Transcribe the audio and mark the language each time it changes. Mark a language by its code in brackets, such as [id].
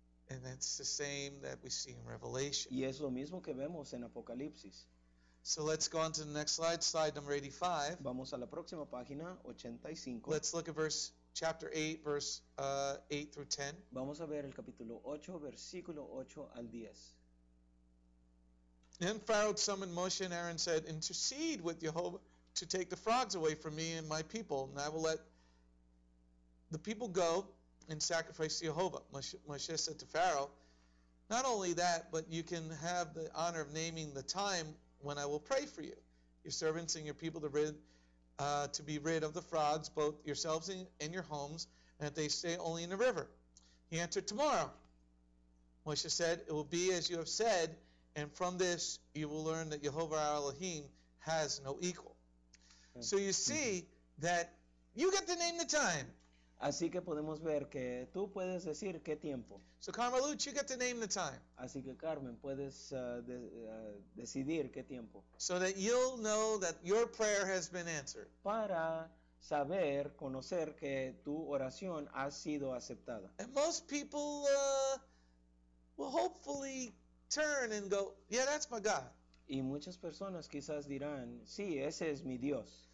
[en] And it's the same that we see in Revelation. [es] Y es lo mismo que vemos en Apocalipsis. [en] So let's go on to the next slide, slide number 85. [es] Vamos a la próxima página, 85. [en] Let's look at verse chapter 8, verse 8 through 10. [es] Vamos a ver el capítulo 8, versículo 8 al 10. [en] Then Pharaoh summoned Moshe and Aaron and said, "Intercede with Jehovah to take the frogs away from me and my people, and I will let the people go and sacrifice to Jehovah." Moshe said to Pharaoh, "Not only that, but you can have the honor of naming the time when I will pray for you, your servants and your people to be rid of the frogs, both yourselves and your homes, and that they stay only in the river." He answered, "Tomorrow." Moshe said, "It will be as you have said, and from this you will learn that Jehovah our Elohim has no equal." So you see that you get to name the time. [es] Así que podemos ver que tú puedes decir qué tiempo. [en] So Carmelut, you get to name the time. [es] Así que Carmen, puedes decidir qué tiempo. [en] So that you'll know that your prayer has been answered. [es] Para saber, conocer que tu oración ha sido aceptada. [en] And most people will hopefully turn and go, "Yeah, that's my God." [es] Y muchas personas quizás dirán, "Sí, ese es mi Dios."